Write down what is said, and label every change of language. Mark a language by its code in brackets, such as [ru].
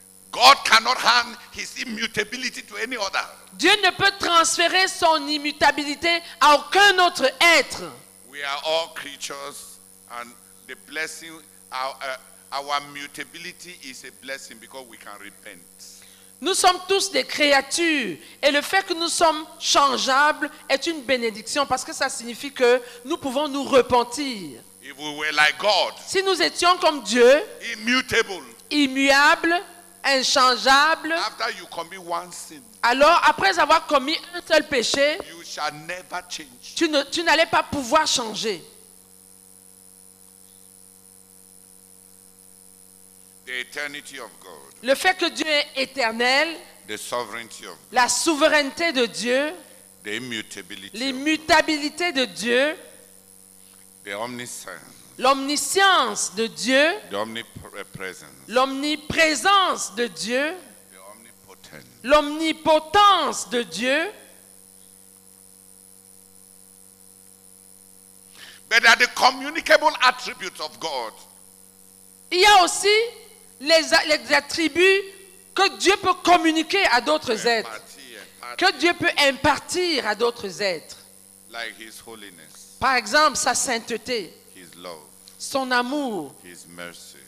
[en] God cannot hand his immutability to any other. [fr] Dieu ne peut transférer son immutabilité à aucun autre être. [en] We are all creatures and the blessing our mutability is a blessing because we can repent. [fr] Nous sommes tous des créatures et le fait que nous sommes changeables est une bénédiction parce que ça signifie que nous pouvons nous repentir. [en] If we were like God, [fr] si nous étions comme Dieu, [en] immutable, [fr] immuable, inchangeable, [en] after you commit one sin, [fr] alors après avoir commis un seul péché, [en] you shall never change. [fr] Tu n'allais pas pouvoir changer. [en] The eternity of God. [fr] Le fait que Dieu est éternel, [en] the sovereignty of God. [fr] La souveraineté de Dieu, [en] the immutability, [fr] l'immutabilité [en] of God. [fr] De Dieu, [en] the omniscience, [fr] l'omniscience de Dieu, [en] the omnipresence, [fr] l'omniprésence de Dieu, [en] the omnipotence, [fr] l'omnipotence de Dieu. [en] But there are the communicable attributes of God. [fr] Il y a aussi les attributs que Dieu peut communiquer à d'autres êtres, que Dieu peut impartir à d'autres êtres. [en] Like his holiness, [fr] par exemple, sa sainteté, [en] his love, [fr] son amour, [en] his mercy,